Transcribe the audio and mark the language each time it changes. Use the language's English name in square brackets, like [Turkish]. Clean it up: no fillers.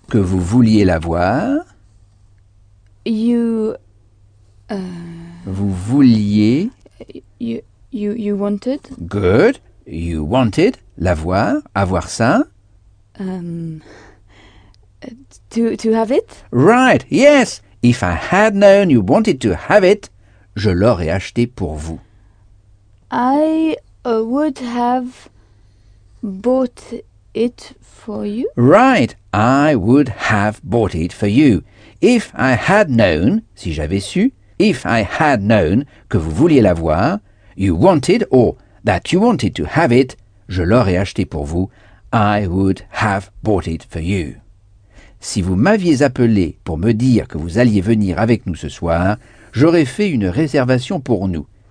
[French] Que vous vouliez la voir... [English] You... [French] Vous vouliez... [English] You wanted... Good. You wanted [French] la voir, avoir ça... [English] To have it? Right, yes. If I had known you wanted to have it, [French] je l'aurais acheté pour vous. [English] I would have bought it for you. Right, I would have bought it for you. If I had known, [French] si j'avais su, [English] if I had known [French] que vous vouliez l'avoir, [English] you wanted or that you wanted to have it, [French] je l'aurais acheté pour vous. [English] I would have bought it for you. [French] Si vous m'aviez appelé pour me dire que vous alliez venir avec nous ce soir, j'aurais fait une réservation pour nous.